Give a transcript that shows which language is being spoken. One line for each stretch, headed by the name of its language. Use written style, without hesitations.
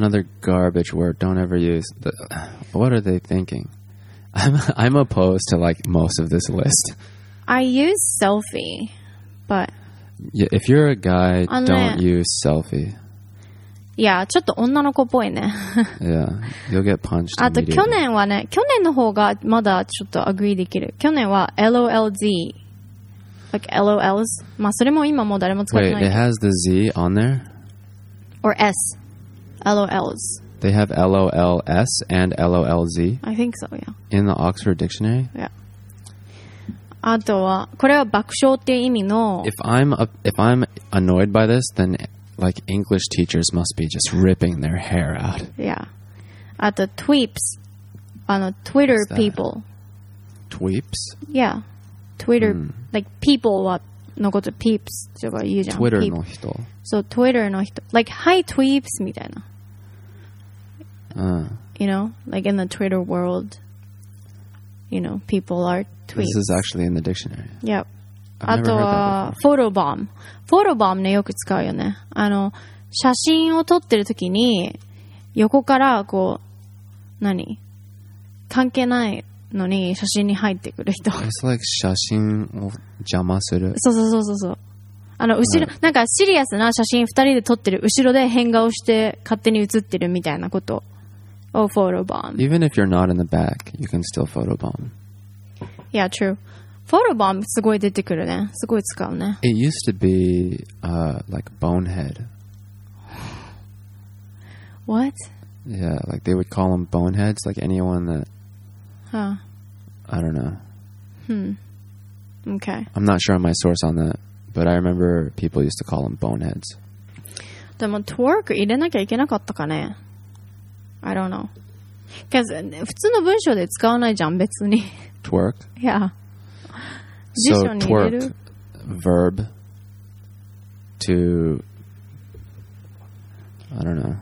English: Another garbage word. Don't ever use. What are they thinking? I'm opposed to like most of this list. I use selfie, but yeah, if you're a guy, don't use selfie.
Japanese: Yeah, ちょっと女の子っぽいね。
English: Yeah, you'll get punched.
Japanese: あと去年はね、去年の方がまだちょっと agree できる。去年は LOLZ, like LOLs. まあそれも今もう誰も使わない。
English: Wait, it has the Z on there? Or S, LOLs. They have LOLS and LOLZ? I think so, yeah. In the Oxford Dictionary?
Japanese: Yeah. あとは、これは爆笑っていう意味の
English: If I'm annoyed by this, then like English teachers must be just ripping their hair out.
Japanese: Yeah. あと、tweeps. あの、Twitter people.
English: Tweeps?
Japanese: Yeah. Twitter,、
English: like people
Japanese: はのこと peeps とか言うじゃん。 Twitter の人。 So, Twitter の人。
English: Like, hi, tweeps
Japanese: みたいな。
English: You know, like in the Twitter world, you know, people are tweets. This is actually in the dictionary. Yep.
Japanese: あとはフォロバム。フォロバムね、よく使うよね。あの写真を撮ってるときに横からこう何関係ないのに写真に入ってくる人。
English: It's like
Japanese: 写真を邪魔する。そうそうそうそうそう。あの後ろ、right. なんかシリアスな写真二人で撮ってる後ろで変顔して勝手に写ってるみたいなこと。
English: Oh, photobomb. Even if you're not in the back, you can still photobomb. Yeah, true.
Japanese: Photobomb すごい出てくるね。すごい使うね。
English: It used to be like bonehead. What? Yeah, like they would call them boneheads. Like anyone that... Huh. I don't know. Hmm. Okay. I'm not sure on my source on that, but I remember people used to call them boneheads.
Japanese: でもトーク入れなきゃいけなかったかね。
English: I don't know. Because
Japanese: 普通の文章で使わないじゃん、別に。
English: Twerk? Yeah. So, twerk, verb, to, I don't know.